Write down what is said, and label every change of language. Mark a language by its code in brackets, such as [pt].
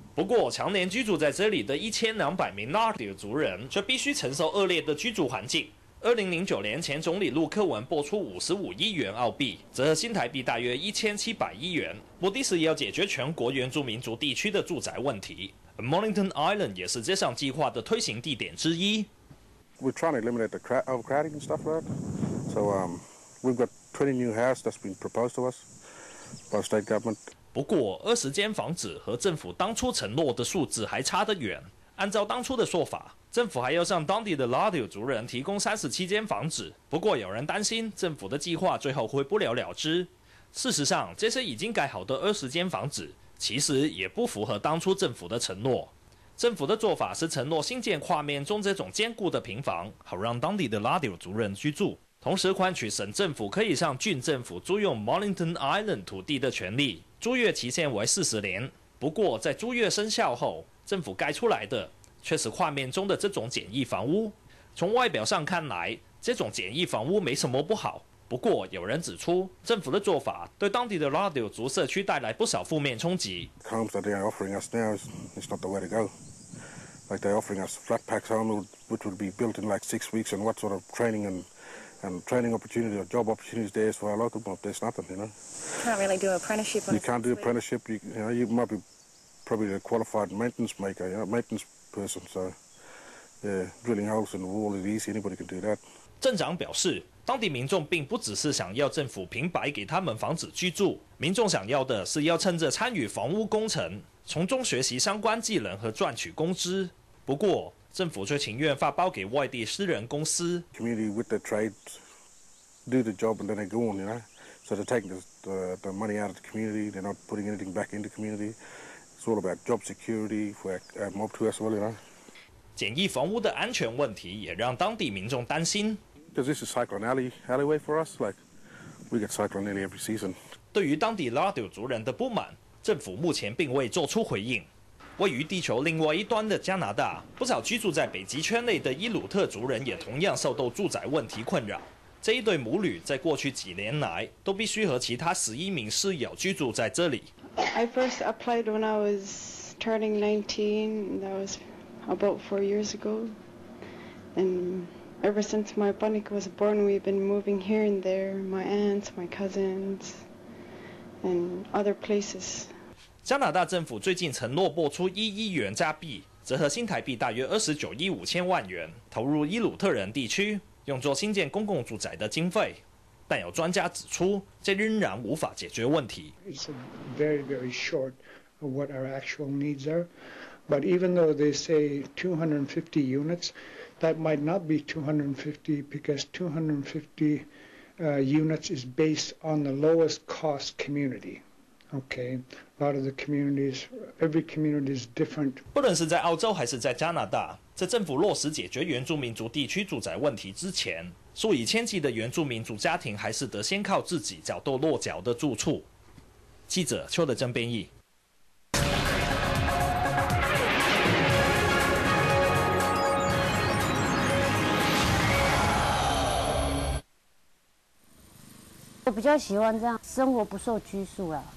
[zh] 不过常年居住在这里的1200名纳迪尔族人却必须承受恶劣的居住环境。 2009年前总理陆克文拨出55亿元澳币，折合新台币大约1700亿元，目的是要解决全国原住民族地区的住宅问题。 Mornington Island 也是这项计划的推行地点之一。 [en] We're trying to eliminate the overcrowding and stuff like that. So we've got 20 new houses that's been proposed to us by state government. [zh] 不过20间房子和政府当初承诺的数字还差得远。按照当初的说法，政府还要向当地的拉丢族人提供37间房子。不过有人担心政府的计划最后会不了了之。事实上，这些已经盖好的20间房子其实也不符合当初政府的承诺。政府的做法是承诺新建跨面中这种坚固的平房，好让当地的拉丢族人居住，同时换取省政府可以向郡政府租用 Mornington Island 土地的权利，租约期限为40年。不过在租约生效后，政府盖出来的却是画面中的这种简易房屋。从外表上看来，这种简易房屋没什么不好，不过有人指出政府的做法对当地的拉丢族社区带来不少负面冲击。 [en] The homes that they are offering us now is not the way to go. Like they're offering us flat pack homes which would be built in like 6 weeks, and what sort of training and training opportunities or job opportunities there is for our local people, there's nothing, you know. You can't really do apprenticeship. You can't do apprenticeship. You know, you might be probably a qualified maintenance maker, you know, maintenance person. So, yeah, drilling holes in the wall is easy. Anybody can do that. [zh] 镇长表示，当地民众并不只是想要政府平白给他们房子居住，民众想要的是要趁着参与房屋工程，从中学习相关技能和赚取工资。不过，政府却情愿发包给外地私人公司。 [en] Community with the trades do the job and then they go on, you know. So they're taking the money out of the community. They're not putting anything back into community. It's all about job security for our mob too as well, you know. [zh] 简易房屋的安全问题也让当地民众担心。 [en] Because this is cyclone alleyway for us, like we get cyclone nearly every season. [zh] 对于当地拉丢族人的不满，政府目前并未做出回应。位于地球另外一端的加拿大，不少居住在北极圈内的伊鲁特族人也同样受到住宅问题困扰。这一对母女在过去几年来都必须和其他11名室友居住在这里。 [en] I first applied when I was turning 19. That was about 4 years ago. And ever since my bunny was born, we've been moving here and there. My aunts, my cousins, and other places. [zh] 加拿大政府最近承诺拨出1亿元加币，折合新台币大约29亿5千万元，投入伊鲁特人地区，用作新建公共住宅的经费。但有专家指出，这仍然无法解决问题。 [en] It's a very, very short of what our actual needs are. But even though they say 250 units, that might not be 250 because 250 units is based on the lowest cost community. Okay, a lot of the communities, every community is different. [zh] 不论是在澳洲还是在加拿大，在政府落实解决原住民族地区住宅问题之前，数以千计的原住民族家庭还是得先靠自己找到落脚的住处。记者邱德正编译。我比较喜欢这样，生活不受拘束啊。